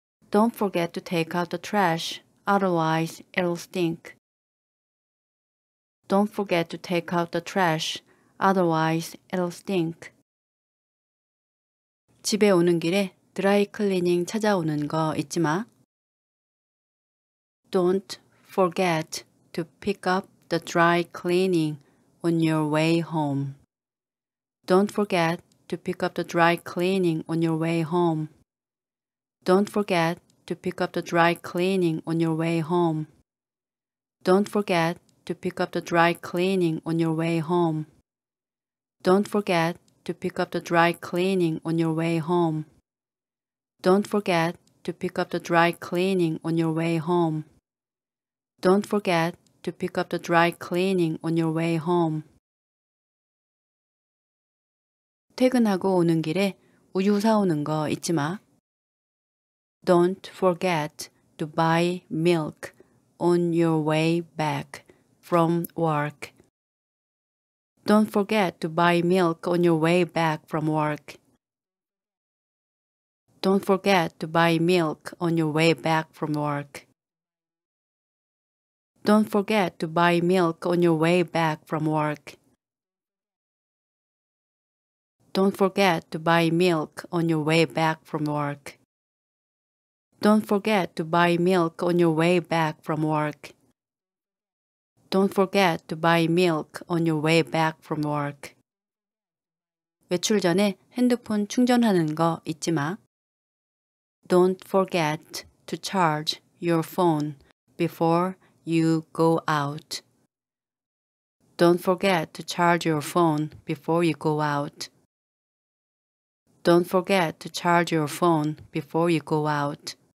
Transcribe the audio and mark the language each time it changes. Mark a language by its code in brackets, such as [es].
[en] Don't forget to take out the trash. Otherwise, it'll stink. Don't forget to take out the trash. Otherwise, it'll stink. [ko] 집에 오는 길에 드라이 클리닝 찾아오는 거 잊지 마. [en] Don't forget to pick up the dry cleaning on your way home. Don't forget to pick up the dry cleaning on your way home. Don't forget to pick up the dry cleaning on your way home. Don't forget to pick up the dry cleaning on your way home. Don't forget to pick up the dry cleaning on your way home. Don't forget to pick up the dry cleaning on your way home. Don't forget to pick up the dry cleaning on your way home. [ko] 퇴근하고 오는 길에 우유 사오는 거 잊지 마. [en] Don't forget to buy milk on your way back from work. Don't forget to buy milk on your way back from work. Don't forget to buy milk on your way back from work. Don't forget to buy milk on your way back from work. Don't forget to buy milk on your way back from work. Don't forget to buy milk on your way back from work. Don't forget to buy milk on your way back from work. [ko] 외출 전에 핸드폰 충전하는 거 잊지 마. [en] Don't forget to charge your phone before you go out. Don't forget to charge your phone before you go out. Don't forget to charge your phone before you go out.